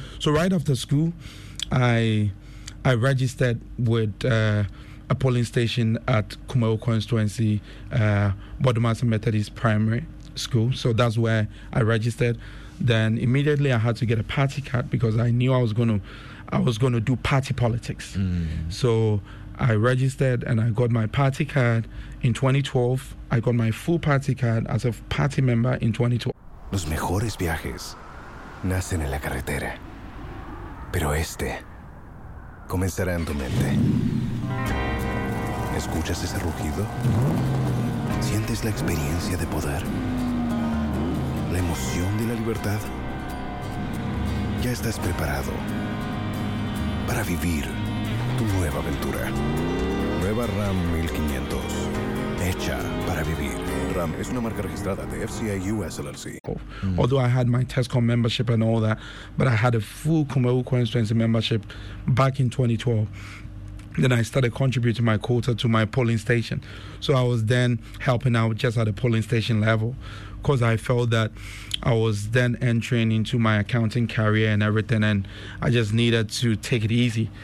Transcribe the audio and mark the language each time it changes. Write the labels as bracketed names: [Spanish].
[English] So right after school, I registered with a polling station at Kumeo Constituency, Bodumasa Methodist Primary School. So that's where I registered. Then immediately I had to get a party card because I knew I was going to do party politics. Mm. So I registered and I got my party card in 2012. I got my full party card as a party member in 2012. [Spanish] Los mejores viajes nacen en la carretera, pero este comenzará en tu mente. ¿Escuchas ese rugido? ¿Sientes la experiencia de poder? ¿La emoción de la libertad? Ya estás preparado para vivir tu nueva aventura. Nueva Ram 1500. Hecha para vivir. Ram es una marca registrada de FCA US LLC. [English] Although I had my TESCOM membership and all that, but I had a full Kumeo Constituency membership back in 2012. Then I started contributing my quota to my polling station. So I was then helping out just at a polling station level because I felt that I was then entering into my accounting career and everything, and I just needed to take it easy.